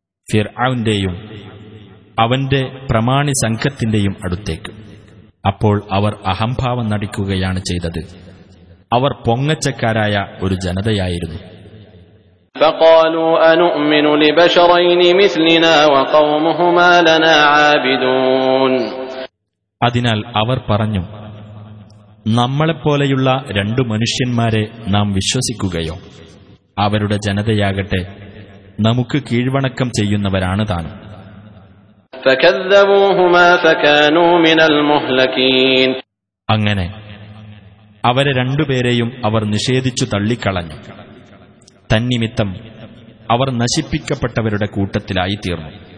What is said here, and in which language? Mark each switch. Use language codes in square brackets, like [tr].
[ml] ഫിർഔന്റെയും അവന്റെ പ്രമാണി സംഘത്തിന്റെയും അടുത്തേക്ക്. അപ്പോൾ അവർ അഹംഭാവം നടിക്കുകയാണ് ചെയ്തത്. അവർ പൊങ്ങച്ചക്കാരായ ഒരു ജനതയായിരുന്നു. [ar] فقالوا أنؤمن لبشرين مثلنا وقومهما لنا عابدون. [ml] അതിനാൽ അവർ പറഞ്ഞു, നമ്മളെ പോലെയുള്ള രണ്ട് മനുഷ്യന്മാരെ നാം വിശ്വസിക്കുകയോ? അവരുടെ ജനതയാകട്ടെ, നമുക്ക് കീഴ്വണക്കം ചെയ്യുന്നവരാണ് താൻ. [ar] فكذبوهما فكانوا من المهلكين. [ml] അങ്ങനെ അവരെ രണ്ടുപേരെയും അവർ നിഷേധിച്ചു തള്ളിക്കളഞ്ഞു. തന്നിമിത്തം അവർ നശിപ്പിക്കപ്പെട്ടവരുടെ കൂട്ടത്തിലായി തീർന്നു.